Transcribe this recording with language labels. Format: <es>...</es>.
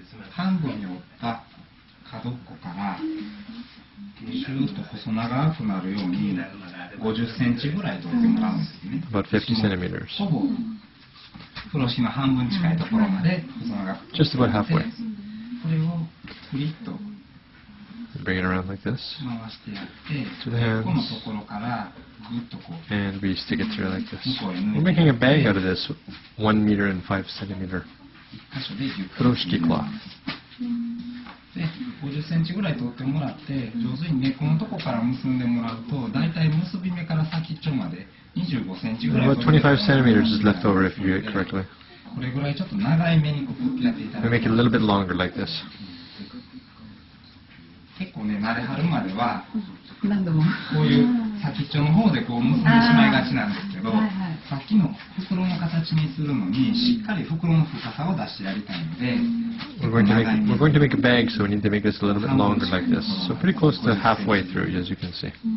<ja>半分に折った角っこから、シューッと細長くなるように50センチぐらい取ってもらうんですね。</ja> <en>About 50 centimeters.</en> <ja>ほぼ風呂敷の半分近いところまで細長く。</ja> <en>Just about halfway.</en> <ja>これをクリッと</ja> <en>Bring it around like this.</en> <ja>回してやって、</ja> <en>To the hands.</en> <ja>このところからグッとこう。</ja> <en>And we stick it through like this. We're making a bag out of this 1 meter and 5 centimeter 風呂敷 cloth.</en> <ja>50センチぐらい取ってもらって、上手に根っこのとこから結んでもらうと、だいたい結び目から先っちょまで25センチぐらい。</ja> <en>About 25 centimeters is left over if you do it correctly.</en> <ja>これぐらいちょっと長い目にくくってやっていただく。</ja> <en>We make it a little bit longer like this.</en> <ja>結構ね、慣れはるまでは、何度もこういう先っちょの方でこう結んでしまいがちなんですけど、さっきの袋の形にするのにしっかり袋の深さを出してやりたいので。</ja> <en>We're going to make a bag, so we need to make this a little bit longer like this. So pretty close to halfway through, as you can see.</en>